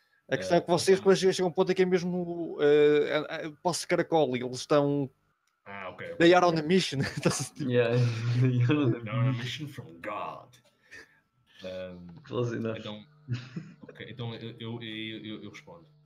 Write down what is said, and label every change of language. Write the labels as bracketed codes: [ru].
[pt] A questão é que vocês chegam a um ponto em que é mesmo posso caracol e eles estão. Ah, ok. [en] They are on a mission. Yeah. They are on a mission from God. Close enough. [pt] Então, okay, então eu respondo.